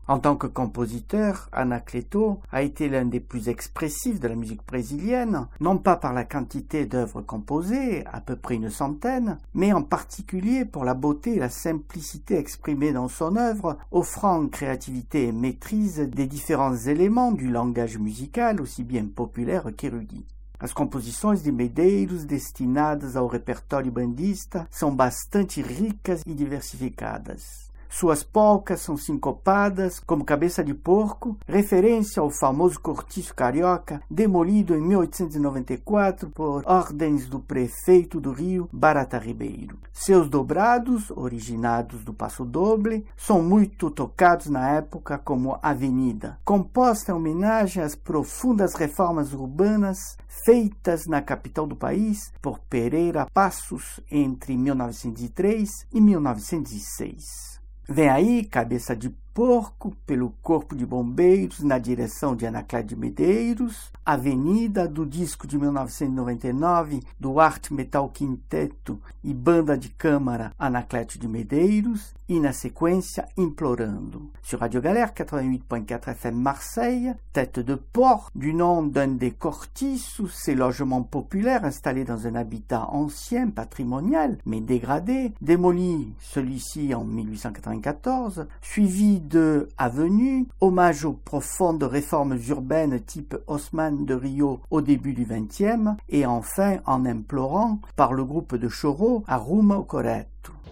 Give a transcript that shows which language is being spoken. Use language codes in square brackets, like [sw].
[fr] En tant que compositeur, Anacleto a été l'un des plus expressifs de la musique brésilienne, non pas par la quantité d'œuvres composées, à peu près une centaine, mais en particulier pour la beauté et la simplicité exprimées dans son œuvre, offrant créativité et maîtrise des différents éléments du langage musical, aussi bien populaire qu'érudit. [pt] As composições de Medeiros destinadas ao repertório bandista são bastante ricas e diversificadas. Suas polcas são sincopadas, como Cabeça de Porco, referência ao famoso cortiço carioca demolido em 1894 por ordens do prefeito do Rio, Barata Ribeiro. Seus dobrados, originados do Passo Doble, são muito tocados na época como Avenida, composta em homenagem às profundas reformas urbanas feitas na capital do país por Pereira Passos entre 1903 e 1906. Vem aí Cabeça de Porco pelo Corpo de Bombeiros na direção de Anacleto Medeiros, Avenida do disco de 1999 do Art Metal Quinteto e Banda de Câmara Anacleto de Medeiros e na sequência Implorando. [fr] Sur Radio Galère 88.4 FM Marseille, Tête de Porc, du nom d'un des cortiços, ces logements populaires installés dans un habitat ancien, patrimonial, mais dégradé, démoli celui-ci en 1894, suivi de Avenue, hommage aux profondes réformes urbaines type Haussmann de Rio au début du XXe, et enfin en Implorant par le groupe de Choro à Rumo ao Coreto.